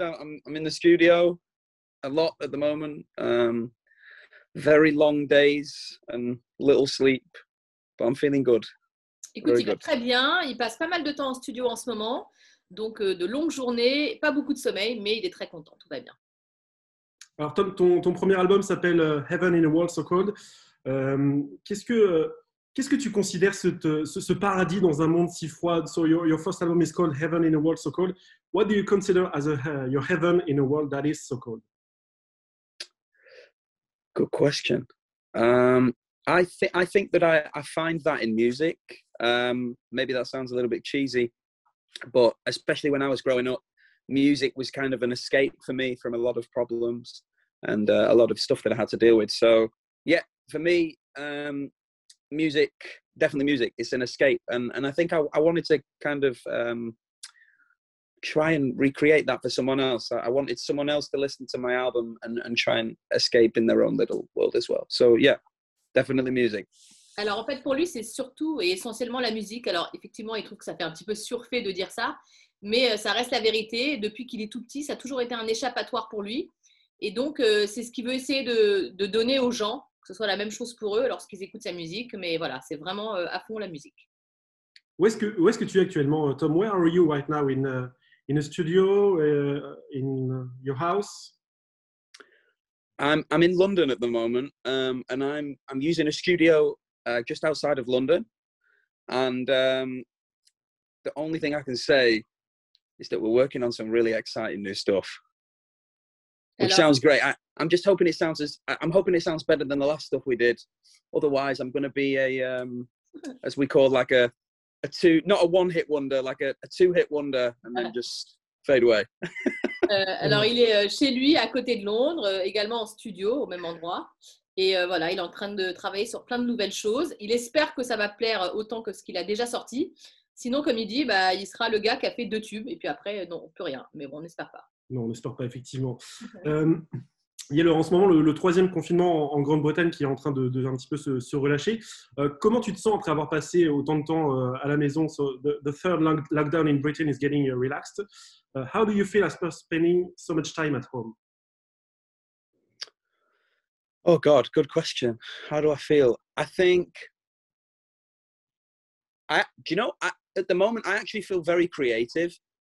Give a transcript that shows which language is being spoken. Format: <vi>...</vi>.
<en>I'm in the studio a lot at the moment. Very long days and little sleep, but I'm feeling good.</en> <fr>Écoute,</fr> <en>Very</en> <fr>il va</fr> <en>good.</en> <fr>très bien. Il passe pas mal de temps en studio en ce moment. Donc, de longues journées, pas beaucoup de sommeil, mais il est très content. Tout va bien. Alors Tom, ton premier album s'appelle Heaven in a World So Cold. Qu'est-ce que tu considères ce paradis dans un monde si froid?</fr> <en>So your first album is called Heaven in a World So Cold. What do you consider as your heaven in a world that is so cold? Good question. I think that I find that in music. Maybe that sounds a little bit cheesy, but especially when I was growing up, music was kind of an escape for me from a lot of problems and a lot of stuff that I had to deal with. So yeah, for me, music, definitely music, it's an escape. And I think I wanted to kind of try and recreate that for someone else. I wanted someone else to listen to my album and try and escape in their own little world as well. So yeah, definitely music.</en> <fr>Alors, en fait, pour lui, c'est surtout et essentiellement la musique. Alors, effectivement, il trouve que ça fait un petit peu surfait de dire ça, mais ça reste la vérité. Depuis qu'il est tout petit, ça a toujours été un échappatoire pour lui. Et donc, c'est ce qu'il veut essayer de donner aux gens, que ce soit la même chose pour eux lorsqu'ils écoutent sa musique. Mais voilà, c'est vraiment à fond la musique. Où est-ce que tu es actuellement, Tom?</fr> <en>Where are you right now? In a studio, in your house? I'm in London at the moment, and I'm using a studio just outside of London. And the only thing I can say is that we're working on some really exciting new stuff, which</en> <fr>Alors,</fr> <en>sounds great. I'm just hoping it sounds as I'm hoping it sounds better than the last stuff we did. Otherwise, I'm going to be a as we call like a two not a one hit wonder, like a two hit wonder, and then just fade away.</en> <fr>alors il est chez lui à côté de Londres, également en studio au même endroit. Et voilà, il est en train de travailler sur plein de nouvelles choses. Il espère que ça va plaire autant que ce qu'il a déjà sorti. Sinon, comme il dit, bah, il sera le gars qui a fait deux tubes. Et puis après, non, plus rien. Mais bon, on n'espère pas. Non, on n'espère pas, effectivement. Il y a en ce moment le troisième confinement en Grande-Bretagne qui est en train de un petit peu se relâcher. Comment tu te sens après avoir passé autant de temps à la maison?</fr> <en>So the third lockdown in Britain is getting relaxed. How do you feel after spending so much time at home? Oh God, good question. How do I feel? I think I, do you know, I, at the moment, I actually feel very creative.</en>